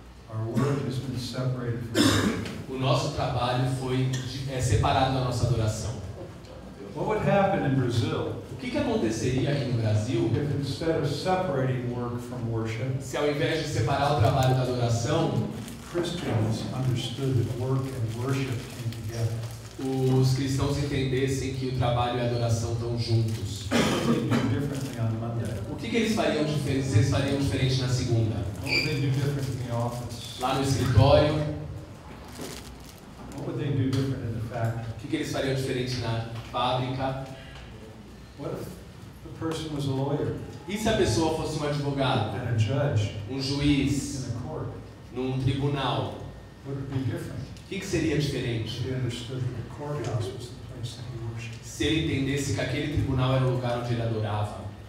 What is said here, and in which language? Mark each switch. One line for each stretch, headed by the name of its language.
English: Our work has been separated from the church.
Portuguese: O nosso trabalho foi separado da nossa adoração.
English: What would happen in Brazil?
Portuguese: O que aconteceria aqui no Brasil?
English: If instead of separating work from worship,
Portuguese: se ao invés de separar o trabalho da adoração,
English: Christians understood that work and worship came together.
Portuguese: Os cristãos entendessem que o trabalho e a adoração estão juntos.
English: What would they do differently on Monday?
Portuguese: O que eles fariam diferente? Eles fariam diferente na segunda?
English: What would they do different in the office?
Portuguese: Lá no escritório?
English: What would they do different in the factory?
Portuguese: O que eles fariam diferente na fábrica?
English: What if the person was a lawyer?
Portuguese: E se a pessoa fosse um advogado?
English: And a judge?
Portuguese: Um juiz?
English: In a court?
Portuguese: Num tribunal?
English: Would it be different?
Portuguese: O que seria diferente?
English: If he understood that the courthouse was the place that he worshipped.
Portuguese: Se ele entendesse que aquele tribunal era o lugar onde ele adorava.